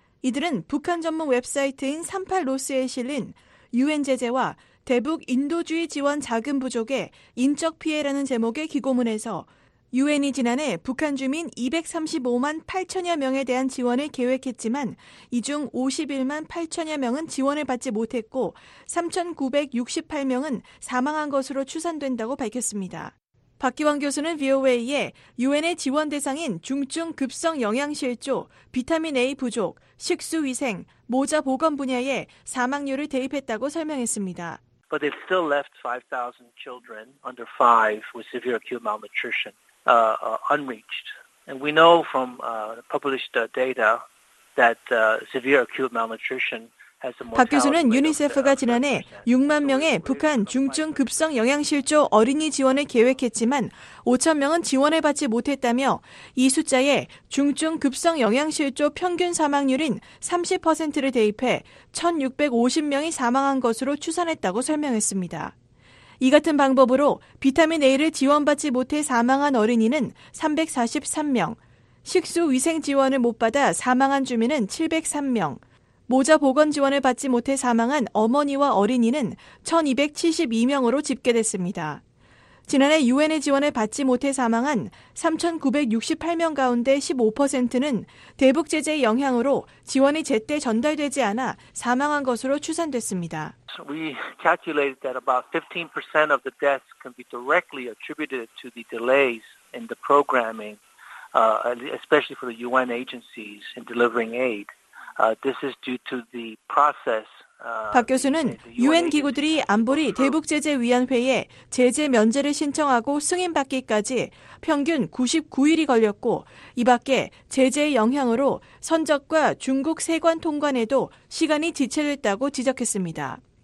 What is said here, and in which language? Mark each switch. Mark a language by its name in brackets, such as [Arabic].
[Korean] 이들은 북한 전문 웹사이트인 38로스에 실린 UN 제재와 대북 인도주의 지원 자금 부족의 인적 피해라는 제목의 기고문에서 UN이 지난해 북한 주민 235만 8천여 명에 대한 지원을 계획했지만 이 중 51만 8천여 명은 지원을 받지 못했고 3,968명은 사망한 것으로 추산된다고 밝혔습니다. 박기원 교수는 VOA에 UN의 지원 대상인 중증 급성 영양실조, 비타민 A 부족, 식수위생, 모자 보건 분야에 사망률을 대입했다고 설명했습니다. [English] But they've still left 5,000 children under 5 with severe acute malnutrition. Unreached. And we know from published data that severe acute malnutrition has a more. [Korean] 박 교수는 유니세프가 지난해 6만 명의 북한 중증 급성 영양실조 어린이 지원을 계획했지만 5천 명은 지원을 받지 못했다며 이 숫자에 중증 급성 영양실조 평균 사망률인 30%를 대입해 1,650명이 사망한 것으로 추산했다고 설명했습니다. 이 같은 방법으로 비타민 A를 지원받지 못해 사망한 어린이는 343명, 식수위생 지원을 못 받아 사망한 주민은 703명, 모자 보건 지원을 받지 못해 사망한 어머니와 어린이는 1,272명으로 집계됐습니다. 지난해 UN의 지원을 받지 못해 사망한 3,968명 가운데 15%는 대북 제재의 영향으로 지원이 제때 전달되지 않아 사망한 것으로 추산됐습니다. [English] We calculated that about 15% of the deaths can be directly attributed to the delays in the programming, especially for the UN agencies in delivering aid. This is due to the process [Korean] 박 교수는 유엔 기구들이 안보리 대북 제재 위원회에 제재 면제를 신청하고 승인받기까지 평균 99일이 걸렸고 이 밖에 제재의 영향으로 선적과 중국 세관 통관에도 시간이 지체됐다고 지적했습니다.